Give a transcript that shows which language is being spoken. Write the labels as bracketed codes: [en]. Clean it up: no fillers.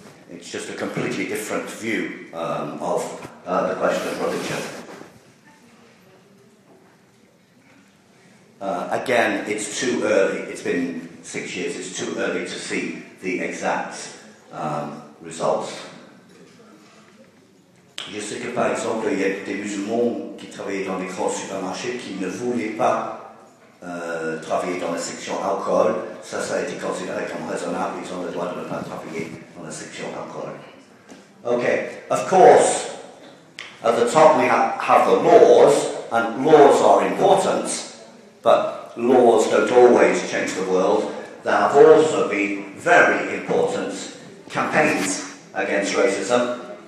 [en] It's just a completely different view of the question of religion. Again, it's too early. It's been 6 years. It's too early to see the exact results. [fr] Je sais que, par exemple, il y a des musulmans qui travaillaient dans des grands supermarchés qui ne voulaient pas travailler dans la section alcool. Ça, ça a été considéré comme raisonnable. Ils ont le droit de ne pas travailler dans la section alcool. [en] Okay. Of course, at the top we have the laws, and laws are important, but laws don't always change the world. There have also been very important campaigns against racism.